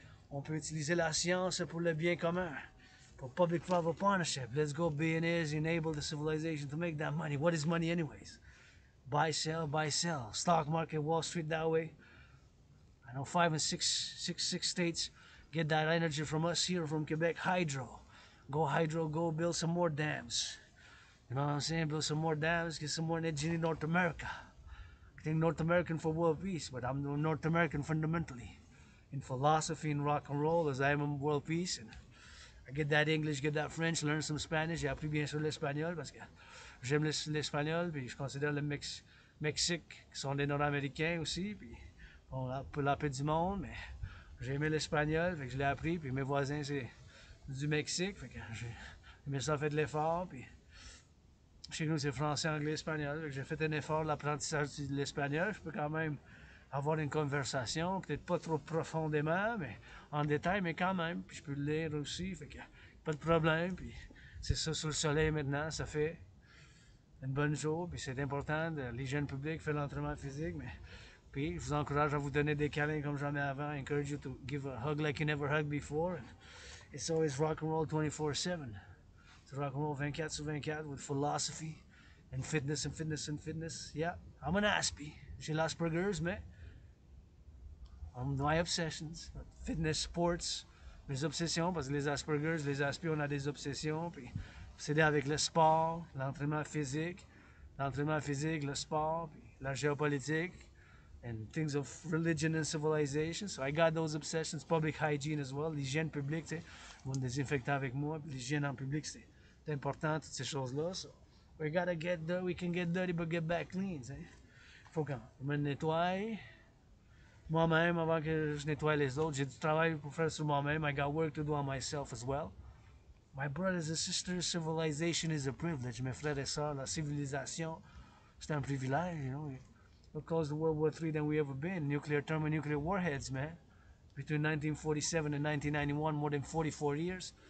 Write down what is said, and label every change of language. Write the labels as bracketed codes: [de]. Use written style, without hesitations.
[fr] On peut utiliser la science pour le bien commun. [en] For public-private partnership. Let's go billionaires, enable the civilization to make that money. What is money anyways? Buy, sell, buy, sell. Stock market, Wall Street that way. I know five and six states get that energy from us here from Quebec. Hydro. Go hydro, go build some more dams. You know what I'm saying? Build some more dams, get some more energy in North America. I think North American for world peace, but I'm North American fundamentally. In philosophy, in rock and roll, as I am in world peace. And I get that English, get that French, learn some Spanish. [fr] J'ai appris bien sûr l'espagnol, parce que j'aime l'espagnol, puis je considère le Mexique, qui sont des Nord-Américains aussi, puis on a pour la paix du monde, mais j'ai aimé l'espagnol, fait que je l'ai appris, puis mes voisins, c'est du Mexique, fait que j'ai aimé ça, fait de l'effort, puis chez nous, c'est français, anglais, espagnol. J'ai fait un effort d'apprentissage de l'espagnol. Je peux quand même avoir une conversation, peut-être pas trop profondément, mais en détail, mais quand même. Puis je peux lire aussi, fait que pas de problème. Puis c'est ça sur le soleil maintenant, ça fait une bonne chose. Puis c'est important, l'hygiène publique, faire l'entraînement physique. Mais puis je vous encourage à vous donner des câlins comme jamais avant. [en] I encourage you to give a hug like you never hugged before. And it's always rock and roll 24/7. It's rock and roll 24/24 with philosophy and fitness and fitness and fitness. Yeah, I'm an Aspie. [fr] J'ai l'Asperger's, mais [en] I'm my obsessions. [fr] Fitness, sports, mes obsessions, parce que les Asperger's, les Aspies, on a des obsessions. Puis c'est avec le sport, l'entraînement physique, le sport, puis la géopolitique, [en] and things of religion and civilization. So I got those obsessions, public hygiene as well, [fr] l'hygiène publique, tu sais. Vous me désinfectez avec moi, puis l'hygiène en public, c'est important, toutes ces choses-là. [en] So, we gotta get dirty, we can get dirty, but get back clean. T'sais. [fr] Faut qu'on me nettoie. Moi-même, avant que je nettoie les autres, j'ai du travail pour faire sur moi-même. [en] I got work to do on myself as well. My brothers and sisters, civilization is a privilege. [fr] Mes frères et sœurs, la civilisation, c'est un privilège, [en] you know. It caused World War III than we ever been. Nuclear thermonuclear warheads, man. Between 1947 and 1991, more than 44 years.